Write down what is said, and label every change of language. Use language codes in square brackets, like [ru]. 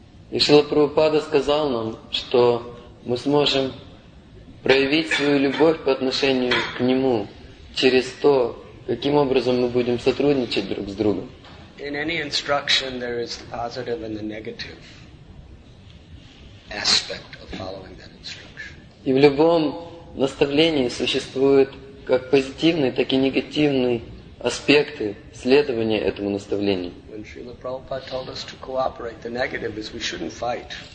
[ru] И Шрила Прабхупада сказал нам, что мы сможем проявить свою любовь по отношению к Нему через то, каким образом мы будем сотрудничать друг с другом. [en] In any instruction, there is the positive and the negative aspect of following that instruction. [ru] И в любом наставлении существуют как позитивные, так и негативные аспекты следования этому наставлению. [en] When Srila Prabhupada told us to cooperate, the negative is we shouldn't fight.